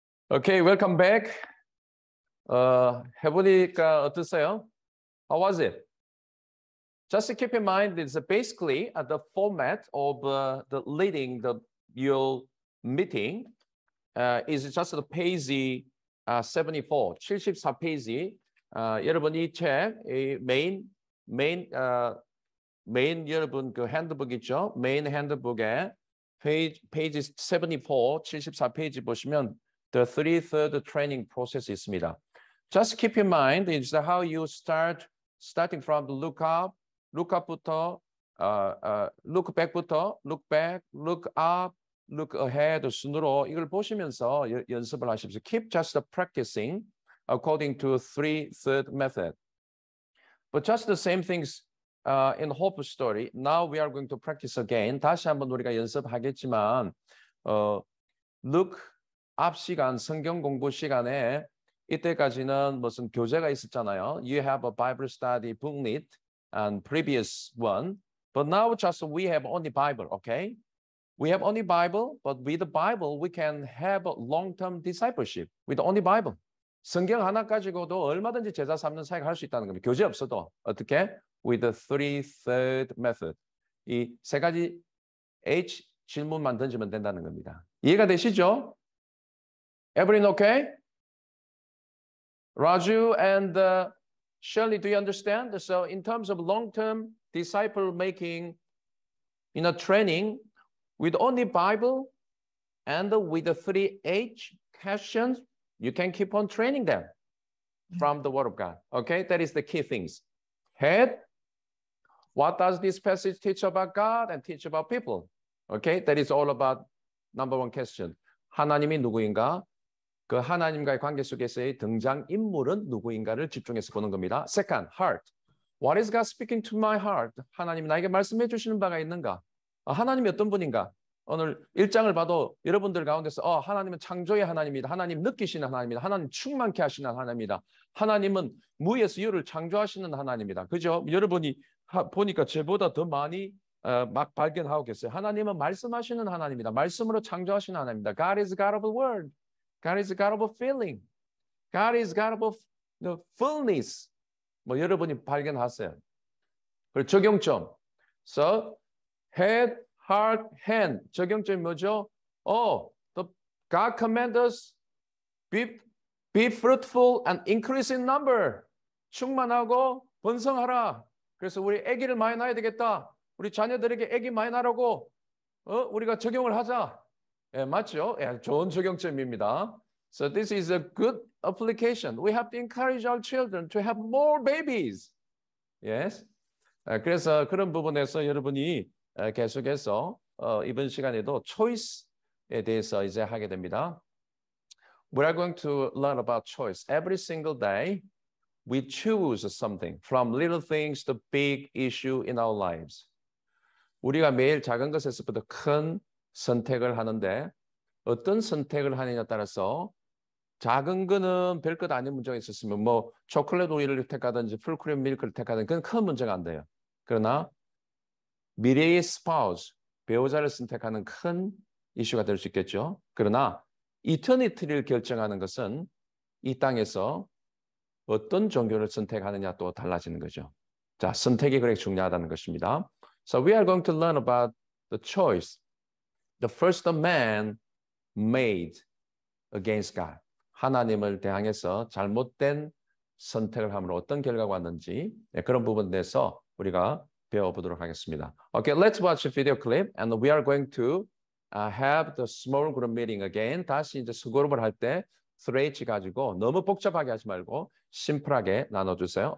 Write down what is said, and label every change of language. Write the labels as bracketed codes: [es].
[en] 오케이, okay, welcome back. [ko] 해보니까 어떠세요? [en] How was it? Just to keep in mind, it's basically the format of the leading the your meeting is just the page 74, 74페이지. [ko] 여러분이 책, 이 메인 여러분 그 핸드북 있죠? 메인 핸드북에 page 74, 74페이지 보시면 [en] the three-third training process [ko] 있습니다. [en] Just keep in mind is how you starting from the look up부터, look back부터, look back, look up, look ahead [ko] 순으로 이걸 보시면서 연습을 하십시오. [en] Keep just practicing according to three-third method. But just the same things in Hope Story. Now we are going to practice again. [ko] 다시 한번 우리가 연습하겠지만, look 앞 시간, 성경 공부 시간에 이때까지는 무슨 교재가 있었잖아요. [en] You have a Bible study booklet and previous one. But now just we have only Bible, okay? We have only Bible, but with the Bible, we can have a long-term discipleship with only Bible. [ko] 성경 하나 가지고도 얼마든지 제자 삼는 사역 할 수 있다는 겁니다. 교재 없어도. 어떻게? [en] With the three-third method. [ko] 이 세 가지 H 질문만 던지면 된다는 겁니다. 이해가 되시죠? [en] Everyone okay? Raju and Shirley, do you understand? So in terms of long-term disciple-making, you know, training, with only Bible and with the three H questions, you can keep on training them from the Word of God. Okay, that is the key things. Head, what does this passage teach about God and teach about people? Okay, that is all about number one question. [ko] 하나님이 누구인가? 그 하나님과의 관계 속에서의 등장인물은 누구인가를 집중해서 보는 겁니다. [en] Second, heart. What is God speaking to my heart? [ko] 하나님이 나에게 말씀해 주시는 바가 있는가? 하나님이 어떤 분인가? 오늘 1장을 봐도 여러분들 가운데서 하나님은 창조의 하나님이다. 하나님 느끼시는 하나님이다. 하나님 충만케 하시는 하나님이다. 하나님은 무에서 유를 창조하시는 하나님이다. 그죠? 여러분이 보니까 저보다 더 많이 막 발견하고 계세요. 하나님은 말씀하시는 하나님이다. 말씀으로 창조하시는 하나님이다. [en] God is God of the world. God is God of a feeling. God is God of the fullness. [ko] 뭐 여러분이 발견하세요. 그리고 적용점. [en] So, head, heart, hand. [ko] 적용점이 뭐죠? [en] God command us be fruitful and increase in number. [ko] 충만하고 번성하라. 그래서 우리 아기를 많이 낳아야 되겠다. 우리 자녀들에게 아기 많이 낳으라고 우리가 적용을 하자. 예, 맞죠? 예, 좋은 적용점입니다. [en] So this is a good application. We have to encourage our children to have more babies. Yes. [ko] 그래서 그런 부분에서 여러분이 계속해서 이번 시간에도 choice에 대해서 이제 하게 됩니다. [en] We are going to learn about choice. Every single day, we choose something from little things to big issue in our lives. [ko] 우리가 매일 작은 것에서부터 큰 선택을 하는데 어떤 선택을 하느냐에 따라서 작은 거는 별것 아닌 문제가 있었으면 뭐 초콜릿 우유를 택하든지 풀크림 밀크를 택하든지 그건 큰 문제가 안 돼요. 그러나 미래의 스파우스, 배우자를 선택하는 큰 이슈가 될 수 있겠죠. 그러나 이터니티를 결정하는 것은 이 땅에서 어떤 종교를 선택하느냐 또 달라지는 거죠. 자, 선택이 그렇게 중요하다는 것입니다. [en] So we are going to learn about the choice the first man made against God. [ko] 하나님을 대항해서 잘못된 선택을 함으로 어떤 결과가 왔는지 네, 그런 부분에 대해서 우리가 배워보도록 하겠습니다. [en] Okay, let's watch a video clip and we are going to have the small group meeting again. [ko] 다시 이제 소그룹을 할 때 3H 가지고 너무 복잡하게 하지 말고 심플하게 나눠주세요.